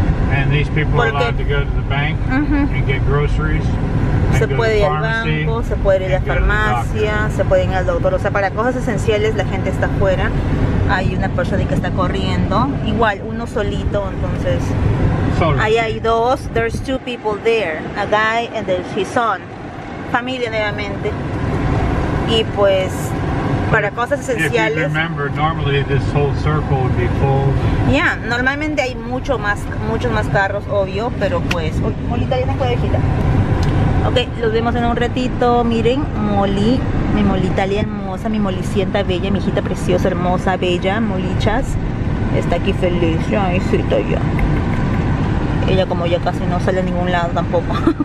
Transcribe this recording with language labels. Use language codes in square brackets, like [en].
[en] And these people are allowed to go to the bank and get groceries. [es] Se puede ir al banco, se puede ir a la farmacia, se puede ir al doctor. O sea, para cosas esenciales la gente está afuera. Hay una persona que está corriendo. Igual, uno solito, entonces. Ahí hay dos. [en] There's two people there. A guy and his son. [es] Familia nuevamente. Y pues, para cosas esenciales. [en] If you remember, normally this whole circle would be full. [es] Yeah, normalmente hay muchos más carros, obvio, pero pues. Molita, ya tengo la viejita. Ok, los vemos en un ratito. Miren, Molly, mi Molita linda, hermosa, mi Molicienta bella, mi hijita preciosa, hermosa, bella, Molichas. Está aquí feliz, ya, ahí sí está ya. Ella como ya casi no sale a ningún lado tampoco.